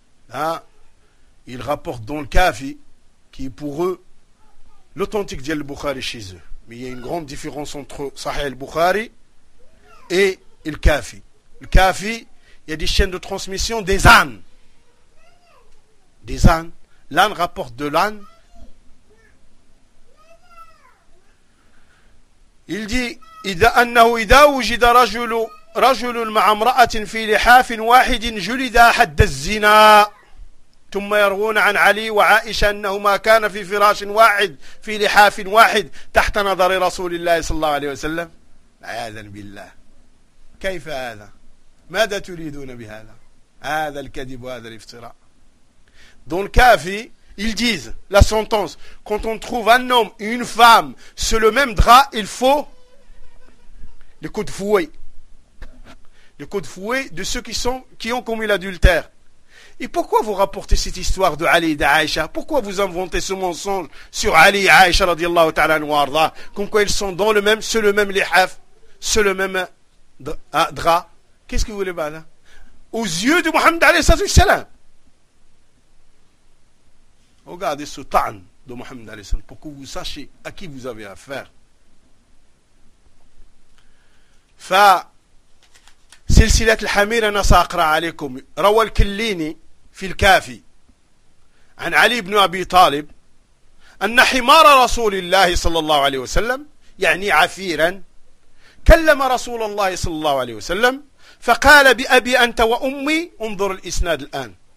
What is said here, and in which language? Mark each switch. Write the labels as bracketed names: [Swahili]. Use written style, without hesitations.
[French] ها il rapporte dans le kafi qui est pour eux l'authentique [Arabic] ديال البخاري [French] chez eux mais il y a une grande différence entre صحيح البخاري et الكافي الكافي il y a des chaînes de transmission des ânes L'âne rapporte de l'âne. Il dit [Arabic] إذا أنه إذا وجد رجل رجل مع امرأة في لحاف واحد جلد حد الزنا ثم يروون عن علي وعائشة أنهما كان في فراش واحد في لحاف واحد تحت نظر رسول الله صلى الله عليه وسلم عياذا بالله كيف هذا ماذا تريدون بهذا هذا الكذب وهذا الافتراء [French] Dans le kafi, ils disent, la sentence, quand on trouve un homme et une femme sur le même drap, il faut les coups de fouet. le coup de fouet de ceux qui ont commis l'adultère. Et pourquoi vous rapportez cette histoire de Ali et d'Aïcha? Pourquoi vous inventez ce mensonge sur Ali et Aïcha [Arabic] radiallahu ta'ala anhu arda, [French] comme quoi ils sont dans le même, sur le même lihaf, sur le même drap? Qu'est-ce que vous voulez là? Aux yeux de Mohammed [Arabic] alayhi salatu wassalam. [French] Regardez ce ta'an de Mohammed [Arabic] alayhi salatu wassalam, [French] pour que vous sachiez à qui vous avez affaire. [Arabic] Fa سلسلة الحمير أنا سأقرأ عليكم روى الكليني في الكافي عن علي بن أبي طالب أن حمار رسول الله صلى الله عليه وسلم يعني عفيرا كلم رسول الله صلى الله عليه وسلم فقال بأبي أنت وأمي انظر الإسناد الآن